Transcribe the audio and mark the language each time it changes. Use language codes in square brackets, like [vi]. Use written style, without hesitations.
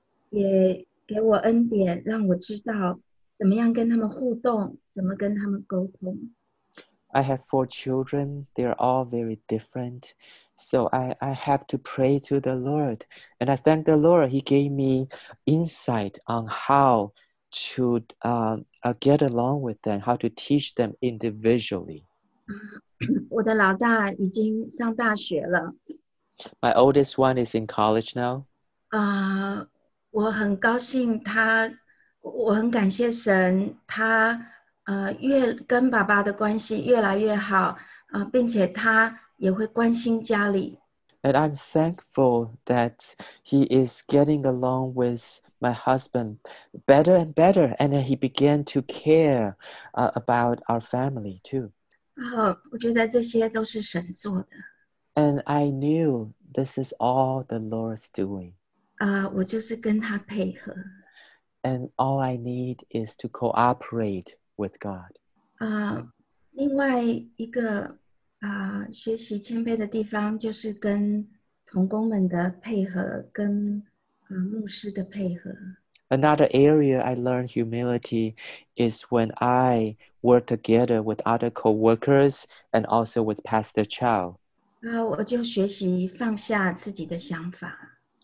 [zh] 我的四个孩子每个都不一样，但是我一一为他们祷告，主也给我恩典，让我知道。怎么样跟他们互动，怎么跟他们沟通？ [en] I have four children. They are all very different. So I have to pray to the Lord. And I thank the Lord. He gave me insight on how to get along with them, how to teach them individually. [zh] 我的老大已经上大学了。 [en] My oldest one is in college now. [zh] 我很高兴他 我很感谢神，他越跟爸爸的关系越来越好，并且他也会关心家里。 [en] And I'm thankful that he is getting along with my husband better and better, and he began to care about our family too. [zh] 我觉得这些都是神做的。 [en] And I knew this is all the Lord's doing. [zh] 我就是跟他配合。 [en] And all I need is to cooperate with God. [zh] 另外一个学习谦卑的地方就是跟同工们的配合，跟牧师的配合。 [en] Another area I learned humility is when I work together with other co-workers and also with Pastor Chow. [zh] 我就学习放下自己的想法。